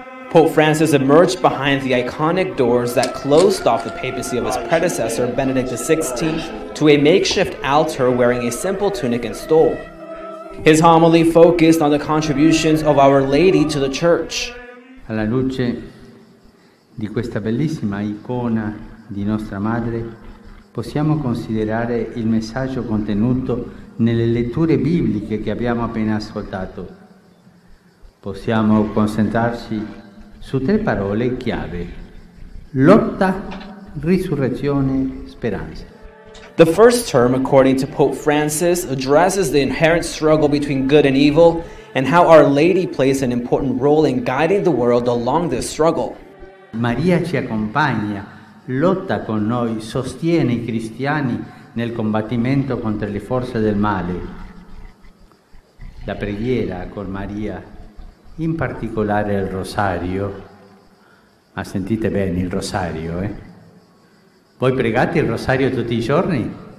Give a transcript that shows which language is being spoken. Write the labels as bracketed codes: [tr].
[en] Pope Francis emerged behind the iconic doors that closed off the papacy of his predecessor, Benedict XVI, to a makeshift altar wearing a simple tunic and stole. His homily focused on the contributions of Our Lady to the Church. [it] Alla luce di questa bellissima icona di Nostra Madre, possiamo considerare il messaggio contenuto nelle letture bibliche che abbiamo appena ascoltato. Possiamo concentrarci su 3 parole chiave: lotta, risurrezione, speranza. [en] The first term, according to Pope Francis, addresses the inherent struggle between good and evil and how Our Lady plays an important role in guiding the world along this struggle. [it] Maria ci accompagna, lotta con noi, sostiene i cristiani nel combattimento contro le forze del male. La preghiera con Maria, in particolare il rosario, ma sentite bene il rosario, Voi pregate il rosario tutti i giorni?